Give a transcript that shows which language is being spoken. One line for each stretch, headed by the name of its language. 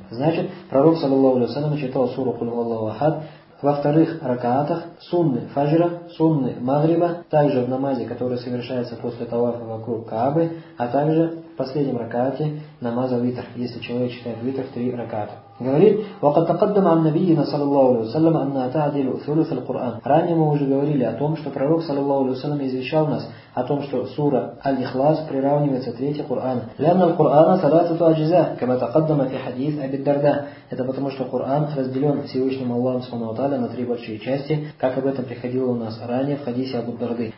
Russian: Значит, пророк саллаллаху алейхи ва саллям читал суру «Куль хуваллаху ахад» во вторых ракаатах, сунны фаджра, сунны магриба, также в намазе, который совершается после тавафа вокруг Каабы, а также в последнем ракаате намаза витр, если человек читает витр три раката. Говорит,
Arabic: وَقَتَقَدَّمْ عَنْ نَبِيِّنَ صَلَى اللَّهُ عَلَيْهُ وَسَلَّمَ أَنَّا تَعْدِلُ ثُلُثَ الْقُرْآنِ.
Russian: Ранее мы уже говорили о том, что пророк, саллаллаху алейхи ва саллям, извещал нас о том, что сура Аль-Ихлас приравнивается третьей Курана.
Arabic: لَأَنَّ الْقُرْآنَ ثَلَاثَةُ أَجْزَاءَ كَمَا تَقَدَّمَ فِي حَدِيثِ أَبِي الدَّرْدَاءَ.
Russian: Это потому, что Коран разделен Всевышним Аллахом Субхану ва Тааля на три большие части, как об этом приходило у нас ранее в хадисе Абу Дарды.